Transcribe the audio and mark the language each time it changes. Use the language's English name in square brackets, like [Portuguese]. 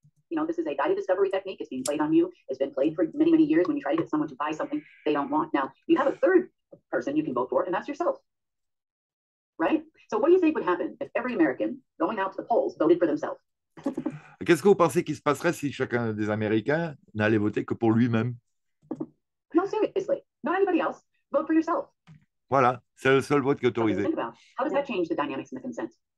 [English] You know, this is a guided discovery technique. It's being played on you. It's been played for many, many years when you try to get someone to buy something they don't want. Now, you have a third person you can vote for, and that's yourself. Right? So what do you think would happen if every American going out to the polls voted for themselves? [French] Qu'est-ce que vous pensez qu'il se passerait si chacun des Américains n'allait voter que pour lui-même? [English] No, seriously. Not anybody else. Vote for yourself. [French] Voilà, c'est le seul vote qui est autorisé. [English] How does that change the dynamics and the consent?